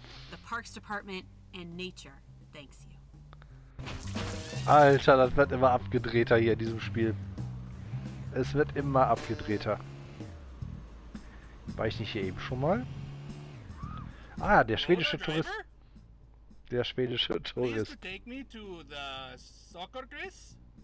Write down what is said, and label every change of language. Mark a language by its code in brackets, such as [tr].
[en] The Parks Department and Nature thanks you. [de] Alter, das wird immer abgedrehter hier in diesem Spiel. Es wird immer abgedrehter. War ich nicht hier eben schon mal? Ah, der schwedische Tourist. Der schwedische Tourist. [en] Please take me to the soccer Chris?